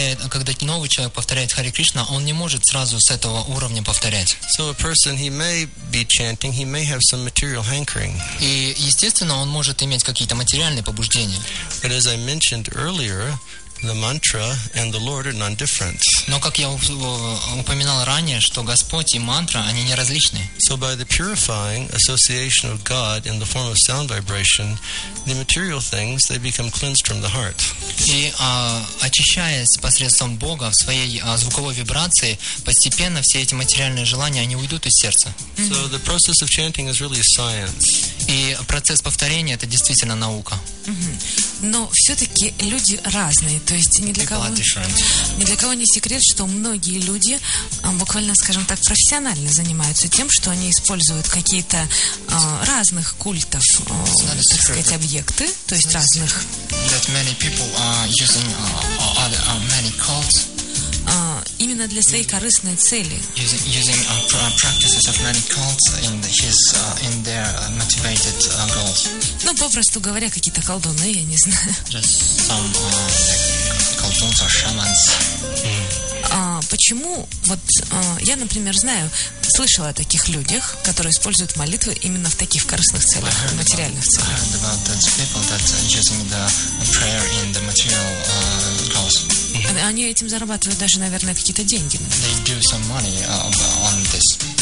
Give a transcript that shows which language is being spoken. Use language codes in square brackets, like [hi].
[ru] Когда новый человек повторяет Харе Кришна, он не может сразу с этого уровня повторять. [en] So a person, he may be chanting, he may have some material hankering. [ru] И, естественно, он может иметь какие-то материальные побуждения. [en] But as I mentioned earlier, the mantra and the Lord are non-different. [ru] Но, как я упоминал ранее, что Господь и мантра, они не различны. [en] So by the purifying association of God in the form of sound vibration, the material things, they become cleansed from the heart. [ru] И очищаясь посредством Бога в своей звуковой вибрации, постепенно все эти материальные желания, они уйдут из сердца. [en] So the process of chanting is really a science. [ru] И процесс повторения — это действительно наука. Но все-таки люди разные. То есть ни для кого не секрет, что многие люди, буквально, скажем так, профессионально занимаются тем, что они используют какие-то разных культов, так сказать, объекты, то есть разных. [en] That many people are using other many cults. [ru] Именно для своей корыстной цели. [en] Using practices of many cults in his in their motivated goals. [ru] Ну, попросту говоря, какие-то колдуны, я не знаю. [en] Just some колдуны or shamans. [ru] Почему вот я, например, знаю, слышала о таких людях, которые используют молитвы именно в таких корыстных целях, [en] I heard [ru] материальных целях. [en] I heard about those people that using the prayer in the material goals. [ru] Они этим зарабатывают даже, наверное, какие-то деньги. [en] They do some money on this.